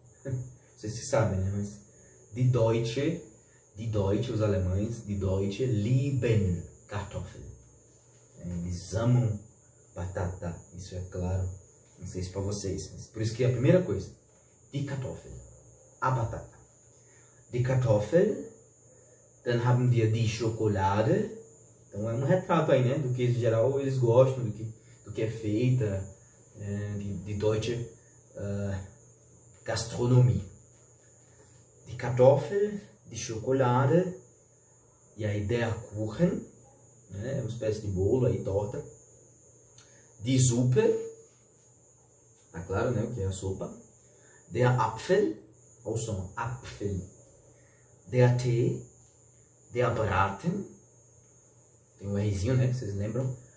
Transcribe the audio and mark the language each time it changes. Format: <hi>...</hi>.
<pt>Não sei se sabem, né? Mas die Deutsche, os alemães,</pt> <de>die Deutsche lieben Kartoffel.</de> <pt>Eles amam batata, isso é claro. Não sei se para vocês, mas por isso que a primeira coisa, die Kartoffel. A batata.</pt> <de>Die Kartoffel, dann haben wir die Schokolade.</de> <pt>Então é um retrato aí, né? Do que em geral eles gostam, do que é feita, de deutsche Gastronomie.</pt> <de>Die Kartoffel, die Schokolade, e aí der Kuchen, né?</de> <pt>Uma espécie de bolo aí, torta. Die Suppe, tá claro, né? O que é a sopa. Der Apfel. Olha o som, Apfel. Der Tee, der Braten, tem um Rzinho, né, que vocês lembram.</pt>